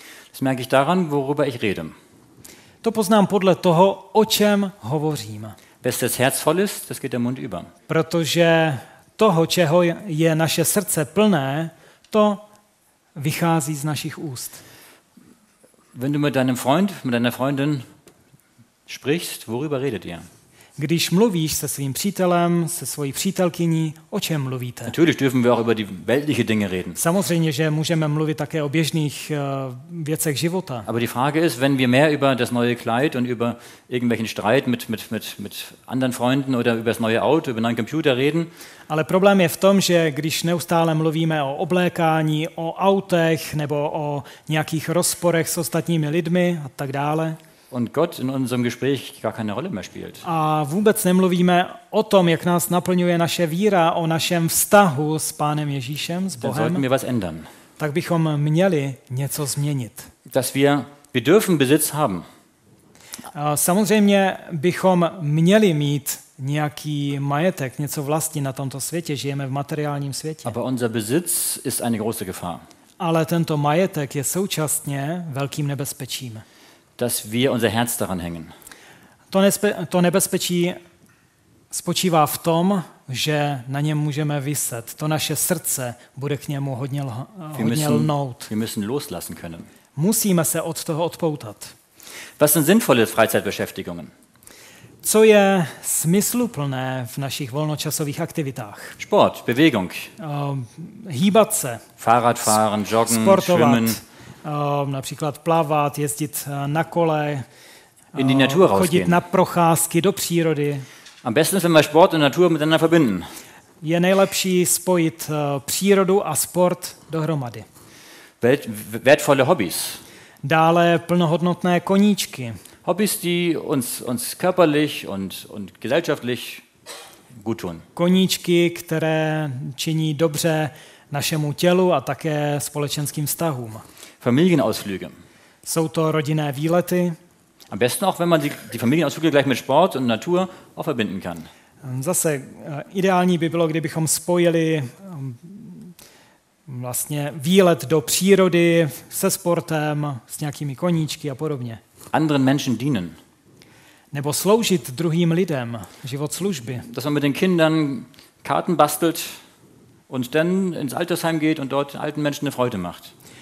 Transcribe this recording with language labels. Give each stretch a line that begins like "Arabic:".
German: Das merke ich daran, worüber ich rede.
Czech: To poznám podle toho, o čem hovořím.
German: Wes das Herz voll ist, das geht der Mund über.
Czech: Protože toho, čeho je naše srdce plné, to vychází z našich úst.
German: Wenn du mit deinem Freund, mit deiner Freundin sprichst, worüber redet ihr?
Czech: Když mluvíš se svým přítelem, se svojí přítelkyní, o čem mluvíte?
German: Natürlich dürfen wir auch über die weltliche Dinge reden.
Czech: Samozřejmě, že můžeme mluvit také o běžných věcech života.
German: Aber die Frage ist, wenn wir mehr über das neue Kleid und über irgendwelchen Streit mit anderen Freunden oder über das neue Auto, über neuen Computer reden.
Czech: Ale problém je v tom, že když neustále mluvíme o oblékání, o autech nebo o nějakých rozporech s ostatními lidmi a tak dále.
German: und Gott in unserem Gespräch gar keine Rolle mehr spielt.
Czech: A vůbec nemluvíme o tom, jak nás naplňuje naše víra, o našem vztahu s Pánem Ježíšem, s Bohem.
German: Dann sollten wir was ändern.
Czech: Tak bychom měli něco změnit.
German: Dass wir dürfen Besitz haben.
Czech: Samozřejmě bychom měli mít nějaký majetek, něco vlastní na tomto světě, žijeme v materiálním světě.
German: Aber unser Besitz ist eine große Gefahr.
Czech: Ale tento majetek je současně velkým nebezpečím.
German: Dass wir unser Herz daran hängen.
Czech: To nebezpečí spočívá v tom, že na něm můžeme viset. To naše srdce bude k němu hodně lnout.
German: Wir müssen loslassen können.
Czech: Musíme se od toho odpoutat.
German: Was sind sinnvolle Freizeitbeschäftigungen?
Czech: Co je smysluplné v našich volnočasových aktivitách?
German: Sport, Bewegung.
Czech: Hýbat se.
German: Fahrradfahren, joggen,
Czech: sportovat,
German: schwimmen.
Czech: Například plavat, jezdit na kole.
German: In die Natur rausgehen.
Czech: Chodit na procházky do přírody.
German: Am besten, wenn wir Sport und Natur miteinander verbinden.
Czech: Je nejlepší spojit přírodu a sport dohromady.
German: Wertvolle Hobbys.
Czech: Dále plnohodnotné koníčky.
German: Hobbys, die uns körperlich und gesellschaftlich gut tun.
Czech: Koníčky, které činí dobře našemu tělu a také společenským vztahům.
German: Familienausflüge.
Czech: Jsou to rodinné výlety.
German: Am besten auch, wenn man die Familienausflüge gleich mit Sport und Natur auch verbinden kann.
Czech: Zase ideální by bylo, kdybychom spojili vlastně výlet do přírody se sportem, s nějakými koníčky a podobně.
German: Anderen Menschen dienen.
Czech: Nebo sloužit druhým lidem, život služby.
German: Dass man mit den Kindern Karten bastelt und dann ins Altersheim geht und dort alten Menschen eine Freude macht.